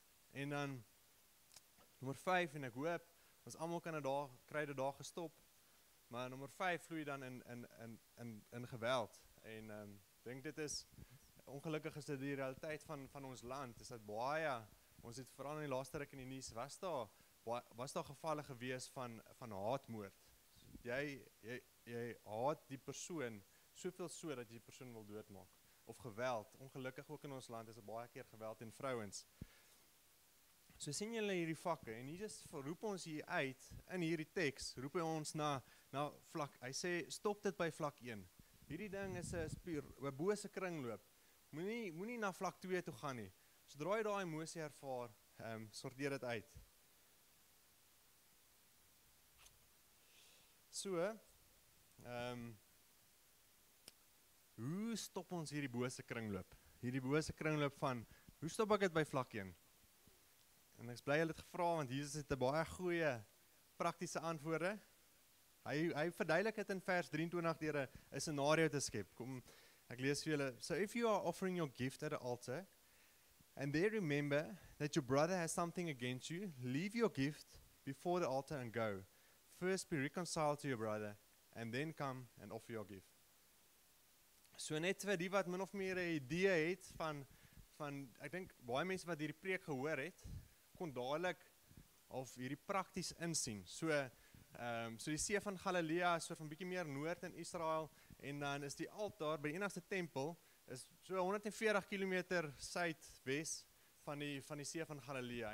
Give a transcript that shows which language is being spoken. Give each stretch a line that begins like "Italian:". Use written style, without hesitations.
Afrikaans: En dan nummer 5, en ek hoop ons almal kan daar gestop, maar nummer 5 vloei dan in geweld, en denk dit is ongelukkig is dit die realiteit van ons land, is dat baie, ons het vooral in die laaste ruk in die nuus, was daar gevalle gewees van haatmoord. Jy haat die persoon soveel so dat jy die persoon wil doodmaak. Of geweld, ongelukkig ook in ons land is baie keer geweld in vrouwens. So sien julle hierdie vakke, en Jesus roep ons hier uit, in hierdie tekst, roep hy ons na vlak, hy sê, stop dit by vlak 1. Hierdie ding is een bose kringloop. Moenie na vlak 2 toe gaan nie. Sodra jy daai emosie ervaar, sorteer dit uit. So, hoe stop ons hierdie bose kringloop? Hierdie bose kringloop van, hoe stop ek dit by vlak 1? En ek is bly hulle het gevra, want Jesus het 'n baie goeie praktiese antwoorde. Hy verduidelik het in vers 23 deur 'n scenario te skep. Kom, ek lees vir julle.
English: So if you are offering your gift at the altar, and there remember that your brother has something against you, leave your gift before the altar and go. First be reconciled to your brother, and then come and offer your gift.
Afrikaans: So net vir die wat min of meer 'n idee het van, ek denk, baie mense wat hierdie preek gehoor het, kon dadelik of hierdie prakties insien. So die see van Galilea is soort van bietjie meer noord in Israel, en dan is die altaar, by die enigste tempel, is so 140 kilometer suidwes van die see van Galilea.